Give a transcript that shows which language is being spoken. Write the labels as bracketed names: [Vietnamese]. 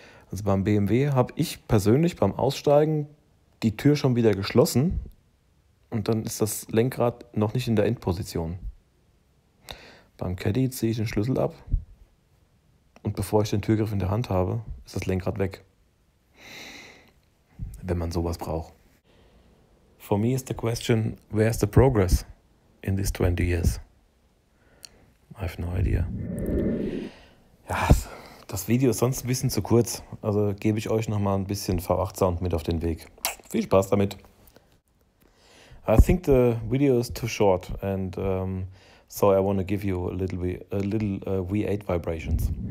[German] Also beim BMW habe ich persönlich beim Aussteigen die Tür schon wieder geschlossen und dann ist das Lenkrad noch nicht in der Endposition. Beim Caddy ziehe ich den Schlüssel ab und bevor ich den Türgriff in der Hand habe, ist das Lenkrad weg. Wenn man sowas braucht. [English] For me is the question, where's the progress? In these 20 years. I have no idea. [German] Ja, das Video ist sonst ein bisschen zu kurz. Also gebe ich euch nochmal ein bisschen V8-Sound mit auf den Weg. Viel Spaß damit. [English] I think the video is too short and so I want to give you a little V8 vibrations.